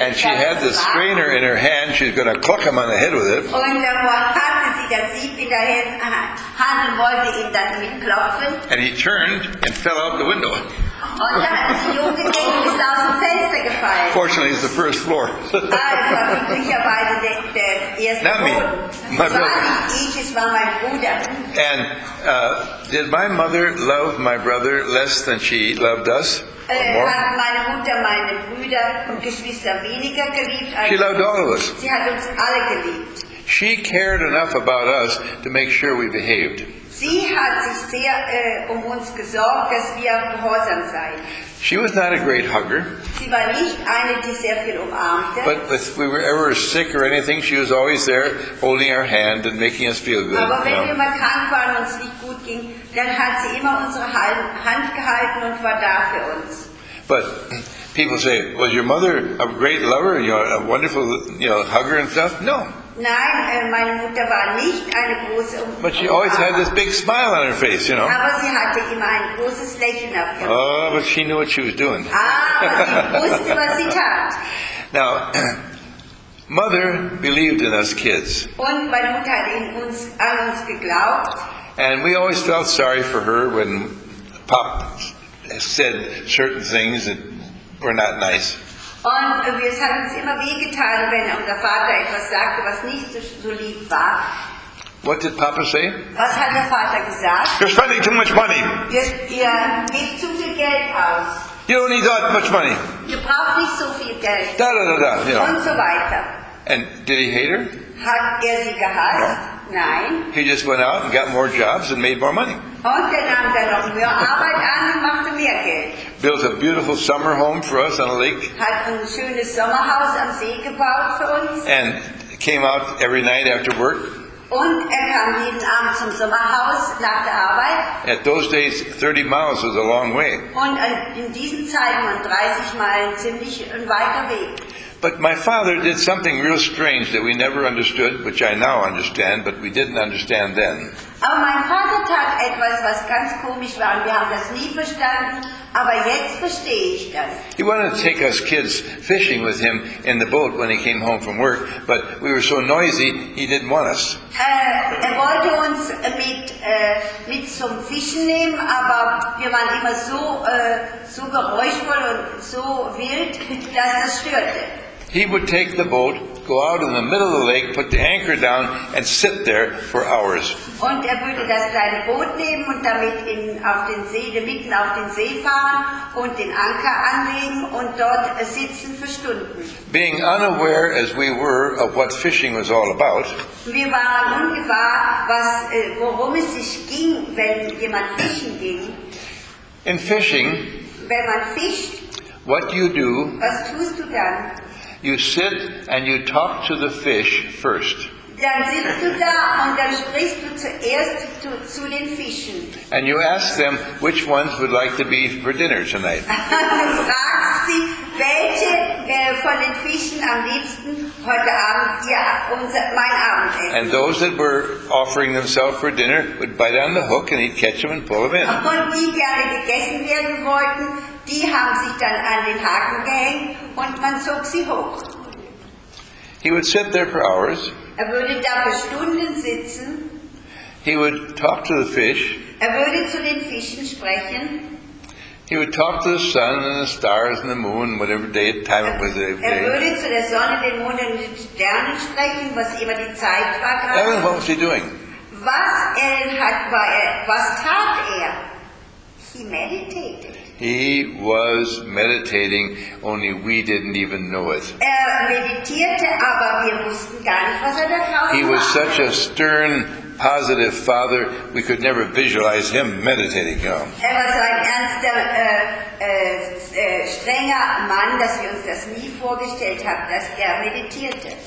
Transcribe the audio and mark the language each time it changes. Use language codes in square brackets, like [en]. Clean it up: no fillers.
[en] And she had the strainer in her hand. She's going to cluck him on the head with it. [de] Und dann hatte sie das Sieb in der Hand und wollte ihn dann mit klopfen. [en] And he turned and fell out the window. [de] Und dann hat sich umgedreht und ist aus dem Fenster gefallen. [en] Fortunately, it's the first floor. [de] Unglücklicherweise der erste Boden. [en] Not me. My brother. [de] Es war mein Bruder. [en] And did my mother love my brother less than she loved us? [de] Hat meine Mutter meine Brüder und Geschwister weniger geliebt als [en] she loved all of us. [de] Sie hat uns alle geliebt. [en] She cared enough about us to make sure we behaved. [de] Sie hat sich sehr um uns gesorgt, dass wir gehorsam seien. [en] She was not a great hugger. [de] Sie war nicht eine, die sehr viel umarmte. [en] But if we were ever sick or anything, she was always there holding our hand and making us feel good. [de] Aber wenn wir mal krank waren und es nicht gut ging, dann hat sie immer unsere Hand gehalten und war da für uns. [en] But people say, was your mother a great lover, you know, a wonderful, you know, hugger and stuff? No. [de] Nein, meine Mutter war nicht eine große Umarmung. [en] But she always had this big smile on her face, you know. [de] Aber sie hatte immer ein großes Lächeln auf ihrem Gesicht. [en] Oh, but she knew what she was doing. [de] Ah, sie wusste, was sie tat. [en] Now, mother believed in us kids. [de] Und meine Mutter hat in uns, an uns geglaubt. [en] And we always felt sorry for her when Pop said certain things that were not nice. [de] Und wir haben uns immer wehgetan, wenn unser Vater etwas sagte, was nicht so lieb war. [en] What did Papa say? [de] Was hat der Vater gesagt? [en] You're spending too much money. [de] Ihr gebt zu viel Geld aus. [en] You don't need that much money. [de] Ihr braucht nicht so viel Geld. [en] Da, da, da, da, you know. [de] Und so weiter. [en] And did he hate her? [de] Hat sie gehasst? [en] No. [de] Nein. [en] He just went out and got more jobs and made more money. [de] Und dann nahm er noch mehr Arbeit an und machte mehr Geld. [en] Built a beautiful summer home for us on a lake. [de] Hat ein schönes Sommerhaus am See gebaut für uns. [en] And came out every night after work. [de] Und kam jeden Abend zum Sommerhaus nach der Arbeit. [en] At those days, 30 miles was a long way. [de] Und in diesen Zeiten waren 30 Meilen ziemlich ein weiter Weg. [en] But my father did something real strange that we never understood, which I now understand, but we didn't understand then. [de] Aber mein Vater tat etwas, was ganz komisch war, und wir haben das nie verstanden, aber jetzt verstehe ich das. [en] He wanted to take us kids fishing with him in the boat when he came home from work, but we were so noisy, he didn't want us. [de] Er wollte uns mit zum Fischen nehmen, aber wir waren immer so geräuschvoll und so wild, dass es störte. [en] He would take the boat, go out in the middle of the lake, put the anchor down, and sit there for hours. [de] Und würde das kleine Boot nehmen und damit mitten auf den See fahren und den Anker anlegen und dort sitzen für Stunden. [en] Being unaware as we were of what fishing was all about. [de] Wir waren ungewahr, worum es sich ging, wenn jemand fischen ging. [en] In fishing, [de] wenn man fischt, [en] what do you do? [de] Was tust du dann? [en] You sit and you talk to the fish first. [de] Dann sitzt du da und dann sprichst du zuerst zu den Fischen. [en] And you ask them which ones would like to be for dinner tonight. [de] Du fragst sie, welche von den Fischen am liebsten heute Abend mein Abendessen. [en] And those that were offering themselves for dinner would bite on the hook and he'd catch them and pull them in. [de] Und die gerne gegessen werden wollten, die haben sich dann an den Haken gehängt und man zog sie hoch. [en] He would sit there for hours. [de] Er würde da für Stunden sitzen. [en] He would talk to the fish. [de] Er würde zu den Fischen sprechen. [en] He would talk to the sun and the stars and the moon, whatever day time it was. [de] Er würde zu der Sonne, den Mond und den Sternen sprechen, was immer die Zeit war. [en] Ellen, what was he doing? [de] Was tat er? [en] He meditated. He was meditating, only we didn't even know it. [de] Er meditierte, aber wir wussten gar nicht, was er daraus machte. [en] He was such a stern, positive father, we could never visualize him meditating. You know. [de] Er war so ein ernster, strenger Mann, dass wir uns das nie vorgestellt haben, dass er meditierte.